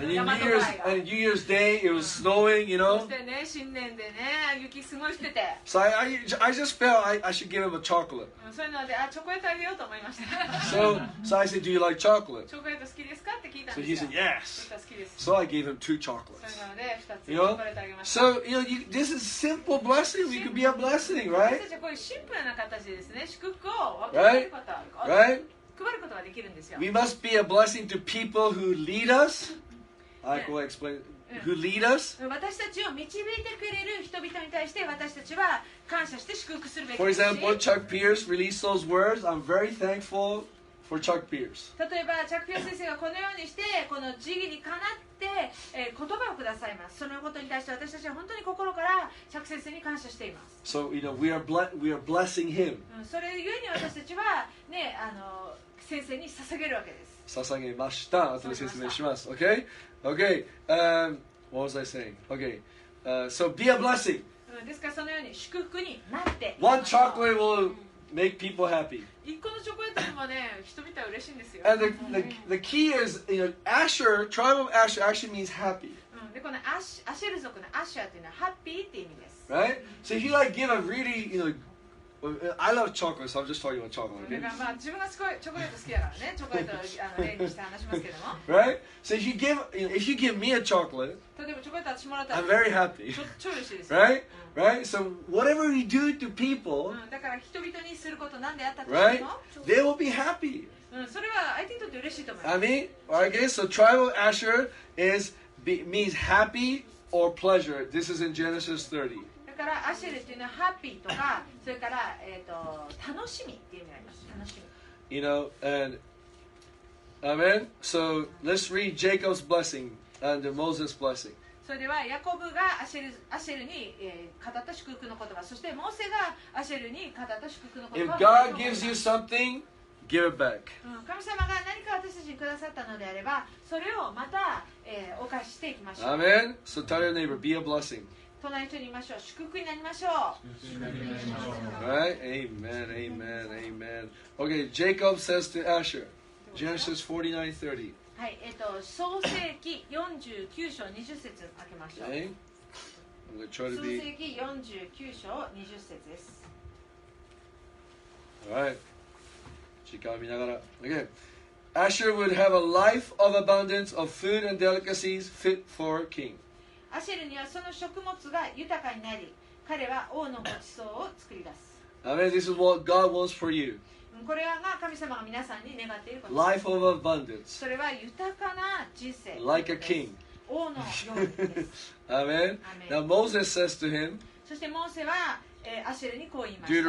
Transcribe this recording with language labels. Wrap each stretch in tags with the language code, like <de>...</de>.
<en>New Year's Day, it was snowing, you know.</en> <ja>そしてね、新年でね、雪すごいしてて。</ja> <en>So I just felt I should give him a chocolate.</en> <ja>そういうので、あ、チョコレートあげようと思いました。</ja> <en>So I said, do you like chocolate?</en> <ja>チョコレート好きですかって聞いたんですよ。</ja> <en>So he said, yes.</en> <ja>好きです。</ja> <en>So I gave him two chocolates.</en> <ja>そういうので、2つチョコレートあげました。</ja> <en>You know? So, you know, this is simple blessing. We could be a blessing, right?</en> <ja>私たちはこういうシンプルな形ですね、祝福を分かれること</ja> <en>は。Right? Right? We must be a blessing to people who lead us. I will explain. Who lead us?</en> <ja>私たちを導いてくれる人々に対して私たちは感謝して祝福するべきです。</ja> <en>For example, Chuck Pierce released those words. I'm very thankful for Chuck Pierce.</en> <ja>例えば、チャック・ピアス先生がこのようにしてこの慈悲にかなって言葉をくださいます。そのことに対して私たちは本当に心からチャック先生に感謝しています。</ja> <en>So you know, we are blessing him.</en> <ja>それゆえに私たちはね、あの先生に捧げるわけです。捧げました。後で説明します。</ja> <en>Okay? Okay. What was I saying? Okay. So be a blessing.</en> <ja>ですからそのように祝福になって。</ja> <en>One chocolate will make people happy.</en> <ja>一個のチョコレートもね、人々は嬉しいんですよ。</ja> <en>And the key is, you know, Asher, tribe of Asher actually means happy.</en> <ja>で、このアシェル族のアシャーっていうのはハッピーって意味です。</ja> <en>Right? So if you like give a really, you know,I love chocolate, so I'm just talking about chocolate. Okay?</en> <ja>自分がチョコレート好きだからね、チョコレートを例にして話しますけども。</ja> <en>Right? So if you give me a chocolate,</en> <ja>例えばチョコレート私もらったら、</ja> <en>I'm very happy.</en> <ja>超嬉しいです。</ja> <en>Right? Right? So whatever we do to people,</en> <ja>だから人々にすること何であったとしても、</ja> <en>they will be happy.</en> <ja>それは相手にとって嬉しいと思います。</ja> <en>I mean, okay, so tribal Asher is, means happy or pleasure. This is in Genesis 30.</en> <ja>からアシェルっていうのはハッピーとか、それから楽しみっていう意味があります。楽しみ。</ja> <en>You know, and amen. So let's read Jacob's blessing and Moses' blessing.</en> <ja>それではヤコブがアシェルに語った祝福の言葉、そしてモーセがアシェルに語った祝福の言葉。</ja> <en>If God gives you something, give it back.</en> <ja>神様が何か私たちにくださったのであれば、それをまた、お返ししていきましょう。</ja> <en>Amen. So tell your neighbor, be a blessing.</en> <ja>隣人に言いましょう。祝福になりましょう。祝福になりましょう。</ja> <en>Amen, amen, amen. Okay, Jacob says to Asher, Genesis 49:30.</en> <ja>はい、創世記49章20節開けましょう。</ja> <en>Okay. I'm gonna try to be...</en> <ja>創世記49章20節です。</ja> <en>All right.</en> <ja>時間を見ながら。</ja> <en>Okay. Asher would have a life of abundance of food and delicacies fit for a king.</en> <ja>アシェルにはその食物が豊かになり、彼は王のごちそうを作り出す。</ja> <en>I mean, this is what God wants for you.</en> <ja>これは、まあ、神様が皆さんに願っていること。</ja> <en>Life of abundance.</en> <ja>それは豊かな人生。</ja> <en>Like a king.</en> <ja>王のようにです。</ja> <en>Amen. Now Moses says to him.</en> <ja>そしてモーセは、アシェルにこう言いました</ja>